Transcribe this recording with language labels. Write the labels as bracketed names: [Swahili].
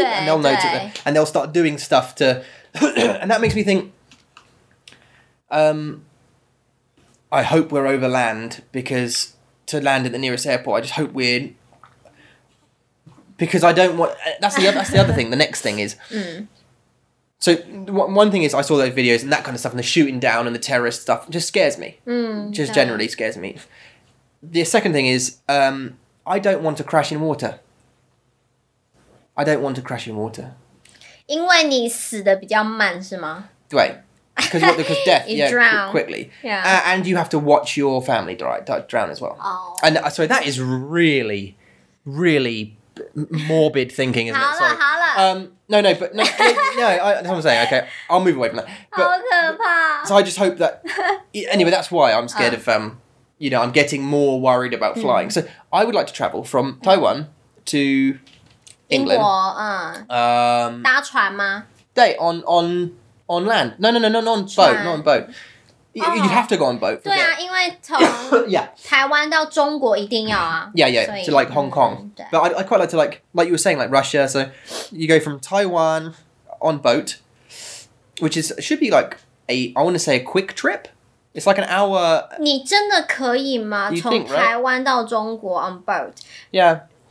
[English] And they'll notice it. And they'll start doing stuff to... And that makes me think, I hope we're over land, because to land at the nearest airport, I just hope we're, because I don't want, that's the other thing, the next thing is, so one thing is I saw those videos and that kind of stuff and the shooting down and the terrorist stuff just scares me, just generally scares me. The second thing is, I don't want to crash in water. I don't want to crash in water. [Chinese] 因为你死得比较慢是吗? [English] 对,because death, you yeah, drown. Quickly. Yeah. And you have to watch your family drown as well. Oh. And so that is really, really morbid thinking, isn't it? [Chinese] 好了, 好了. [English] That's what I'm saying, okay, I'll move away from that. [Chinese] But, 好可怕. [English] So I just hope that, anyway, that's why I'm scared of, you know, I'm getting more worried about flying. So I would like to travel from Taiwan to... England. [Chinese] 英国, 搭船吗? [English] 对, on land. No, not on boat. You'd have to go on boat. [Chinese] 对啊, 因为从台湾到中国一定要啊。 [English] Yeah, to like Hong Kong. But I quite like to like you were saying, like Russia, so you go from Taiwan on boat, which is should be like a quick trip. It's like an hour. [Chinese] 你真的可以吗?从台湾到中国 [English] on boat. Yeah.